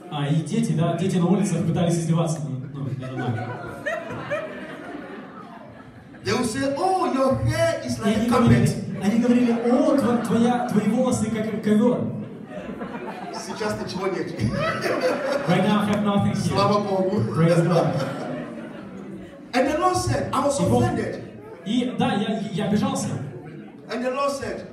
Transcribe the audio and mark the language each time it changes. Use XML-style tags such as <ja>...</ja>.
<ru>и дети, да, дети на улицах пытались издеваться надо мной.</ru> <en>They will say, oh, your hair is like a carpet.</en> <ru>Они говорили, о, твои волосы как ковер. Сейчас ничего нет.</ru> <en>Right now I have nothing here.</en> <ru>Слава Богу.</ru> <en>Praise God. And the Lord said, I was offended.</en> <ru>И да, я обижался.</ru> <en>And the Lord said,</en>